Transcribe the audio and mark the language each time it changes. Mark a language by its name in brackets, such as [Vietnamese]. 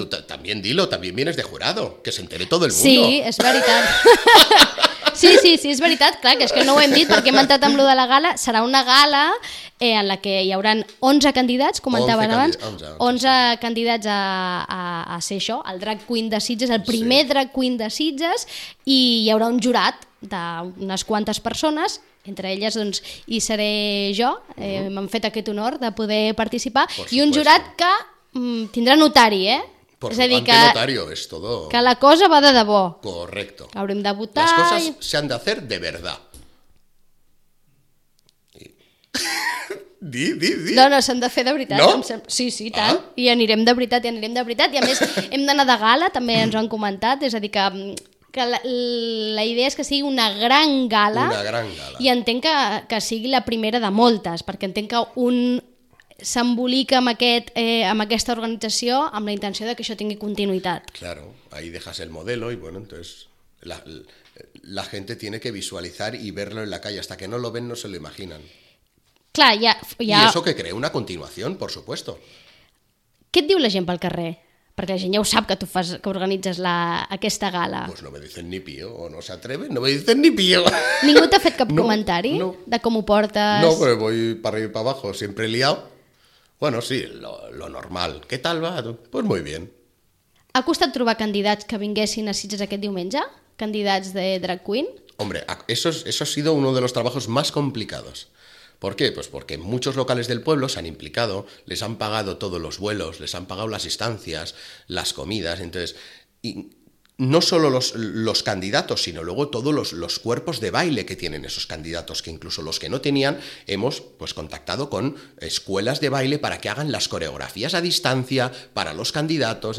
[Spanish] Tu también dilo, también vienes de jurado, que se entere todo el mundo. [Catalan] Sí, és veritat. Sí, sí, sí, és veritat, clar, que és que no ho hem dit perquè hem entrat amb lo de la gala. Serà una gala en la que hi haurà 11 candidats, comentaven abans. 11 candidats a ser això, el drag queen de Sitges, el primer drag queen de Sitges, i hi haurà un jurat d'unes quantes persones. Entre elles, doncs, hi seré jo, m'han fet aquest honor de poder participar, i un jurat que tindrà notari, eh? Por és a dir, que, [Spanish] notario, és todo... [Catalan] que la cosa va de debò. [Spanish] Correcto. [Catalan] Haurem de votar... Les coses s'han de fer [Spanish] de verdad. [Catalan] Di. No, s'han de fer de veritat. No? Sí, sí, tant. Ah? I anirem de veritat. I a més, hem d'anar de gala, també ens ho han comentat, és a dir, que la idea és que sigui una gran gala. Una gran gala. I entenc que sigui la primera de moltes, perquè entenc que un s'embolica amb aquesta organització amb la intenció de que això tingui continuïtat. [Spanish] Claro, ahí dejas el modelo y bueno, entonces la gente tiene que visualizar y verlo en la calle. Hasta que no lo ven, no se lo imaginan. [Catalan] Clar, ya... [Spanish] Y eso que crea una continuación, por supuesto. [Catalan] Què et diu la gent pel carrer? Perquè la gent ja ho sap que tu fas, que organitzes aquesta gala. [Spanish] Pues no me dicen ni pío, o no se atreven, no me dicen ni pío. [Catalan] Ningú t'ha fet cap comentari de com ho portes? [Spanish] No, pero voy para arriba y para abajo, siempre liado. Bueno, sí, lo normal. ¿Qué tal va? Pues muy bien. [Catalan] ¿Ha costat trobar candidats que vinguessin a Sitges aquest diumenge? Candidats de drag queen? [Spanish] Hombre, eso ha sido uno de los trabajos más complicados. ¿Por qué? Pues porque muchos locales del pueblo se han implicado, les han pagado todos los vuelos, les han pagado las estancias, las comidas, entonces... Y no solo los candidatos, sino luego todos los cuerpos de baile que tienen esos candidatos, que incluso los que no tenían, hemos pues contactado con escuelas de baile para que hagan las coreografías a distancia para los candidatos.